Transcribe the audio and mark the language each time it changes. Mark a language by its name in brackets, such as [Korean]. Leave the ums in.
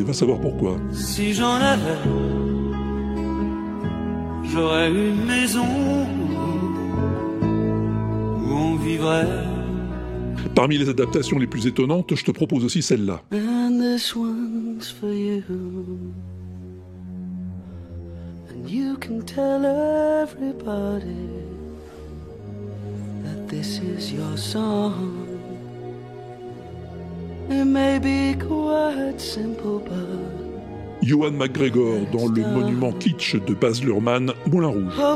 [French] Va savoir pourquoi. Si j'en avais une maison où on vivrait. Parmi les adaptations les plus étonnantes, je te propose aussi celle-là. [English] And this one's for you. And you can tell everybody that this is your song. It may be quite simple, but. [French] Johan McGregor dans le monument kitsch de Baz Luhrmann, Moulin Rouge.